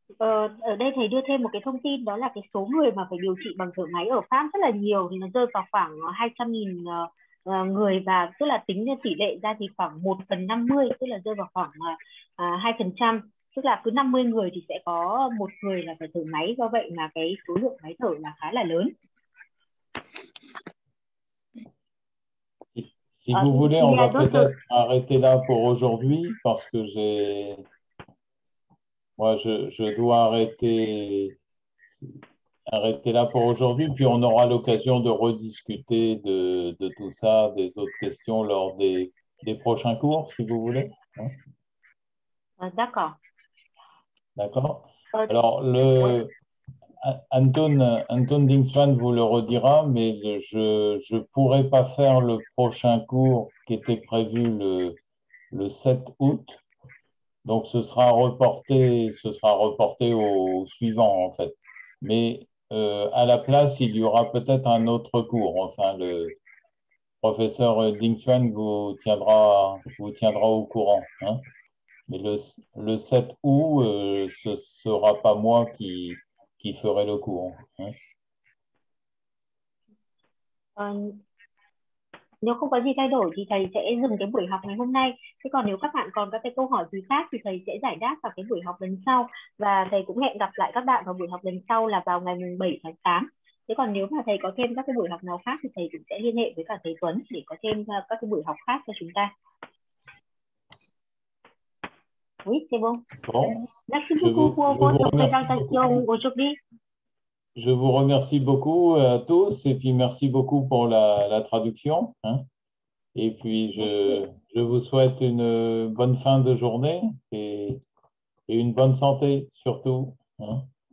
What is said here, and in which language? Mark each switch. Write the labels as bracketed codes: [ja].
[vi] Ở đây thầy đưa thêm một cái thông tin đó là cái số người mà phải điều trị bằng thở máy ở Pháp rất là nhiều, nó rơi vào khoảng 200.000 người, và tức là tính theo tỷ lệ ra thì khoảng 1/50, tức là rơi vào khoảng 2%, tức là cứ 50 người thì sẽ có một người là phải thở máy, do vậy mà cái số lượng máy thở là khá là lớn. [fr] Si vous voulez, on va peut-être arrêter là pour aujourd'hui parce que je dois arrêter là pour aujourd'hui, puis on aura l'occasion de rediscuter de tout ça, des autres questions lors des prochains cours, si vous voulez. D'accord. Alors, Anton Dingsman vous le redira, mais je ne pourrai pas faire le prochain cours qui était prévu le 7 août. Donc, ce sera reporté au suivant, en fait. Mais à la place, il y aura peut-être un autre cours. Enfin, le professeur Dingsman vous tiendra au courant, hein. Mais le 7 août, ce ne sera pas moi qui ferai le cours, hein. [vi] Nếu không có gì thay đổi thì thầy sẽ dừng cái buổi học ngày hôm nay. Thế còn nếu các bạn còn các cái câu hỏi gì khác thì thầy sẽ giải đáp vào cái buổi học lần sau. Và thầy cũng hẹn gặp lại các bạn vào buổi học lần sau là vào ngày 7 tháng 8. Thế còn nếu mà thầy có thêm các cái buổi học nào khác thì thầy cũng sẽ liên hệ với cả thầy Tuấn để có thêm các cái buổi học khác cho chúng ta. [fr] Oui, c'est bon. Merci beaucoup pour votre présentation aujourd'hui. Je vous remercie beaucoup à tous et puis merci beaucoup pour la traduction, hein. Et puis je vous souhaite une bonne fin de journée et une bonne santé surtout, hein.